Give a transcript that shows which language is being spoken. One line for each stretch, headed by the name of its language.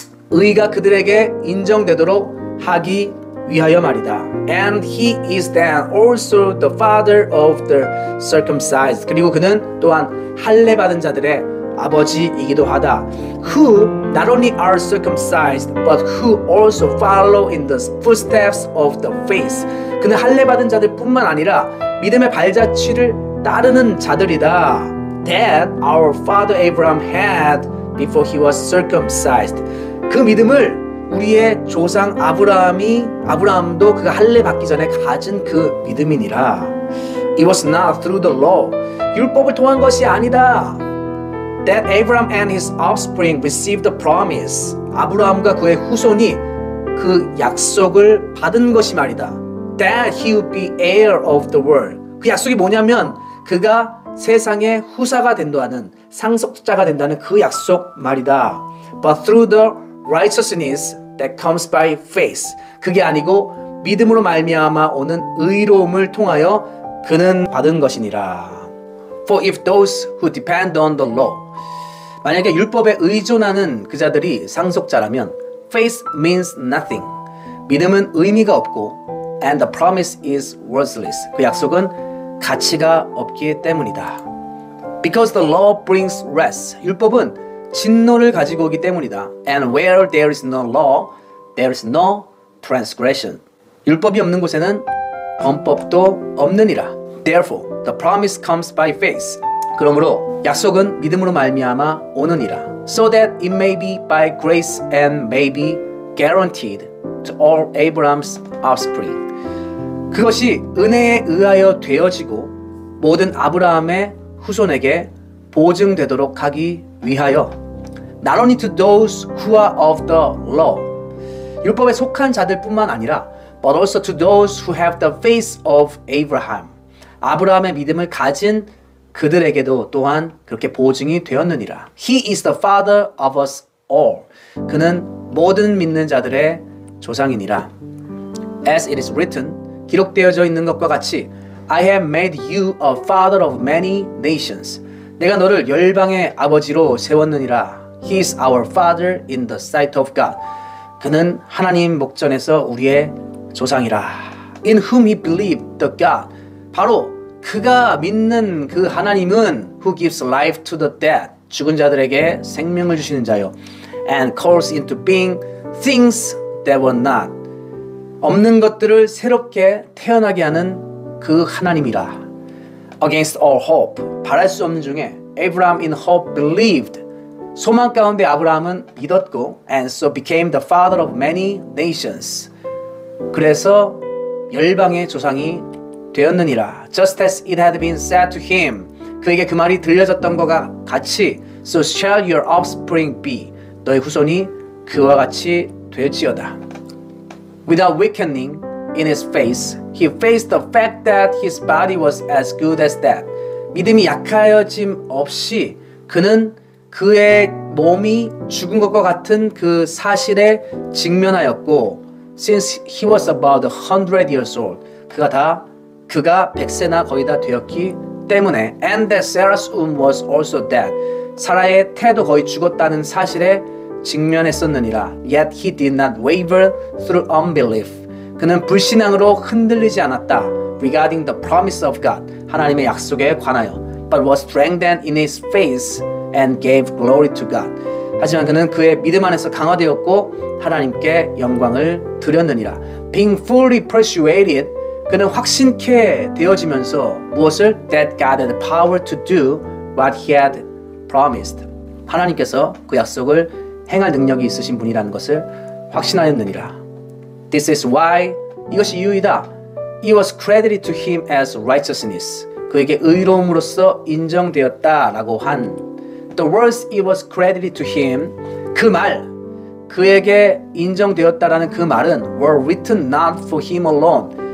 Korean: 의가 그들에게 인정되도록 하기 위하여 말이다.
English: And he is then also the father of the circumcised.
Korean: 그리고 그는 또한 할례 받은 자들의 아버지이기도 하다.
English: Who not only are circumcised but who also follow in the footsteps of the faith.
Korean: 그는 할례 받은 자들뿐만 아니라 믿음의 발자취를 따르는 자들이다.
English: That our father Abraham had before he was circumcised.
Korean: 그 믿음을 우리의 조상 아브라함도 그가 할례 받기 전에 가진 그 믿음이니라.
English: It was not through the law.
Korean: 율법을 통한 것이 아니다.
English: That Abraham and his offspring received the promise.
Korean: 아브라함과 그의 후손이 그 약속을 받은 것이 말이다.
English: That he would be heir of the world.
Korean: 그 약속이 뭐냐면 그가 세상의 후사가 된다는, 상속자가 된다는 그 약속 말이다.
English: But through the righteousness that comes by faith.
Korean: 그게 아니고 믿음으로 말미암아 오는 의로움을 통하여 그는 받은 것이니라.
English: For if those who depend on the law,
Korean: 만약에 율법에 의존하는 그자들이 상속자라면
English: faith means nothing.
Korean: 믿음은 의미가 없고
English: and the promise is worthless.
Korean: 그 약속은 가치가 없기 때문이다.
English: Because the law brings wrath.
Korean: 율법은 진노를 가지고 오기 때문이다.
English: And where there is no law, there is no transgression.
Korean: 율법이 없는 곳에는 범법도 없느니라.
English: Therefore, the promise comes by faith.
Korean: 그러므로 약속은 믿음으로 말미암아 오느니라.
English: So that it may be by grace and may be guaranteed to all Abraham's offspring.
Korean: 그것이 은혜에 의하여 되어지고 모든 아브라함의 후손에게 보증되도록 하기 위하여.
English: Not only to those who are of the law.
Korean: 율법에 속한 자들 뿐만 아니라
English: But also to those who have the faith of Abraham.
Korean: 아브라함의 믿음을 가진 그들에게도 또한 그렇게 보증이 되었느니라.
English: He is the father of us all.
Korean: 그는 모든 믿는 자들의 조상이니라.
English: As it is written,
Korean: 기록되어져 있는 것과 같이
English: I have made you a father of many nations.
Korean: 내가 너를 열방의 아버지로 세웠느니라.
English: He is our father in the sight of God.
Korean: 그는 하나님 목전에서 우리의 조상이라.
English: In whom he believed the God.
Korean: 바로 그가 믿는 그 하나님은
English: who gives life to the dead.
Korean: 죽은 자들에게 생명을 주시는 자요.
English: And calls into being things that were not.
Korean: 없는 것들을 새롭게 태어나게 하는 그 하나님이라.
English: Against all hope.
Korean: 바랄 수 없는 중에
English: Abraham in hope believed.
Korean: 소망 가운데 아브라함은 믿었고
English: and so became the father of many nations.
Korean: 그래서 열방의 조상이 되었느니라.
English: Just as it had been said to him.
Korean: 그에게 그 말이 들려졌던 것과 같이
English: So shall your offspring be.
Korean: 너의 후손이 그와 같이 될지어다.
English: Without weakening in his faith, he faced the fact that his body was as good as dead.
Korean: 믿음이 약하여짐 없이 그는 그의 몸이 죽은 것과 같은 그 사실에 직면하였고
English: Since he was about 100 years old,
Korean: 그가 100세나 거의 다 되었기 때문에
English: And that Sarah's womb was also dead.
Korean: 사라의 태도 거의 죽었다는 사실에 직면했었느니라.
English: Yet he did not waver through unbelief.
Korean: 그는 불신앙으로 흔들리지 않았다.
English: Regarding the promise of God,
Korean: 하나님의 약속에 관하여.
English: But was strengthened in his faith and gave glory to God.
Korean: 하지만 그는 그의 믿음 안에서 강화되었고 하나님께 영광을 드렸느니라.
English: Being fully persuaded,
Korean: 그는 확신케 되어지면서 무엇을?
English: That God had the power to do what he had promised.
Korean: 하나님께서 그 약속을 행할 능력이 있으신 분이라는 것을 확신하였느니라.
English: This is why,
Korean: 이것이 이유이다.
English: It was credited to him as righteousness.
Korean: 그에게 의로움으로써 인정되었다라고 한
English: The words it was credited to him,
Korean: 그 말, 그에게 인정되었다라는 그 말은
English: were written not for him alone.